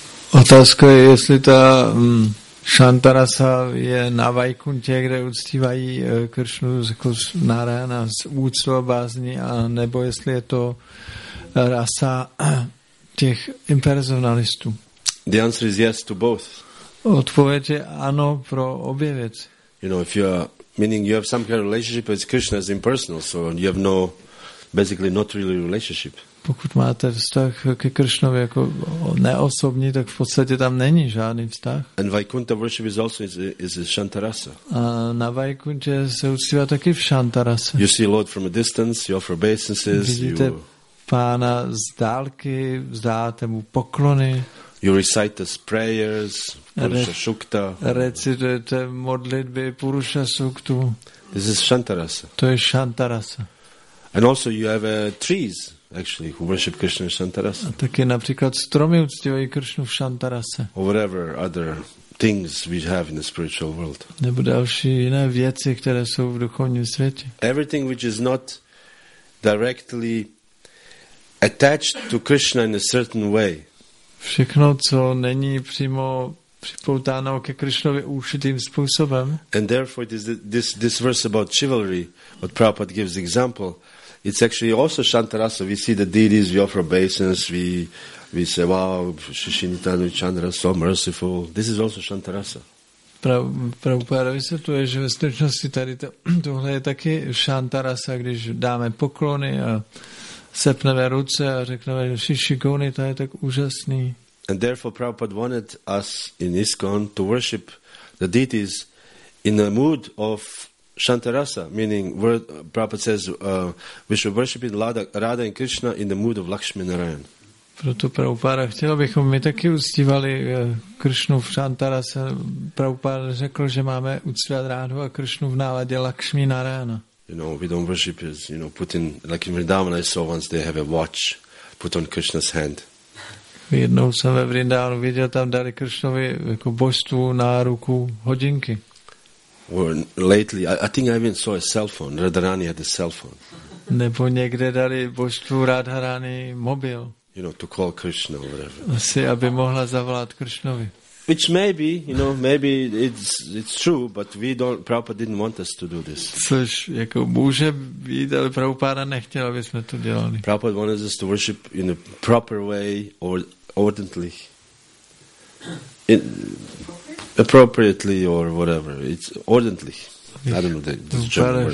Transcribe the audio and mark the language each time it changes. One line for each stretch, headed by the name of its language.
Czech: Otázka je, jestli ta Shantarasa je na Vaikuntě, kde uctívají Kršnu jako Narayana z úctou a bázní, a nebo jestli je to rasa těch impersonalistů.
English: The answer is yes to both.
Czech: Odpověď je ano pro obě věci.
English: You know, if you are, meaning you have some kind of relationship with Krishna as impersonal, so you have no, basically not really relationship.
Czech: Pokud máte vztah ke Kršnovi jako neosobní, tak v podstatě tam není žádný vztah.
English: And Vaikuntha worship is also is Shantarasa.
Czech: A na Vaikuntě se uctívá taky v Shantarasa.
English: You see Lord from a distance, you offer obeisances.
Czech: Vidíte pána z dálky, vzdáte mu poklony.
English: You recite the prayers, Purusha Sukta.
Czech: Recitujete modlitby Purusha Suktu.
English: This is Shantarasa.
Czech: To je Shantarasa.
English: And also you have trees, actually, who worship Krishna in Shantarasa.
Czech: A taky například stromy uctívají Kršnu v Shantarasa.
English: Or whatever other things we have in the spiritual world.
Czech: Nebo další jiné věci, které jsou v duchovním světě.
English: Everything which is not directly attached to Krishna in a certain way.
Czech: Všechno, co není přímo připoutáno ke Krišnovi určitým způsobem.
English: And therefore this verse about chivalry, what Prabhupada gives example, it's actually also Shantarasa. We see the deities, we offer obeisance, we say, wow, Shishinitanu Chandra, so merciful. This is also Shantarasa.
Czech: Prabhupada vysvětluje, že ve skutečnosti tady tohle je taky Shantarasa, když dáme poklony a sepneme ruce a řekneme, že Shishi Goni, to je tak úžasný.
English: And therefore Prabhupada wanted us in ISKCON to worship the deities in a mood of Shantarasa, meaning where Prabhupada says we should worship in Radha and Krishna in the mood of Lakshmi Narayan.
Czech: Proto Prabhupada chtěl, abychom my taky uctívali Kršnu v Shantarasa. Prabhupada řekl, že máme uctívat Radhu a Kršnu v náladě Lakshmi Narayana.
English: You know, we don't worship is, you know, putting, like in Vrindavan I saw once they have a watch put on Krishna's hand.
Czech: Jednou jsem ve Vrindavanu viděl, tam dali Krishnovi jako božstvu na ruku hodinky.
English: Or lately, I think I even saw a cell phone. Radharani had a cell phone.
Czech: Nebo někde dali božstvu Radharani mobil.
English: You know, to call Krishna or whatever.
Czech: Asi, aby mohla zavolat Krishnovi.
English: Which maybe, you know, maybe it's true, but we don't, Prabhupada didn't want us to do this.
Czech: Což jako může být, ale Prabhupada nechtěl, aby jsme to dělali.
English: Prabhupada wanted us to worship in a proper way or ordinarily. Appropriately or whatever. It's ordinarily. I don't know the German word.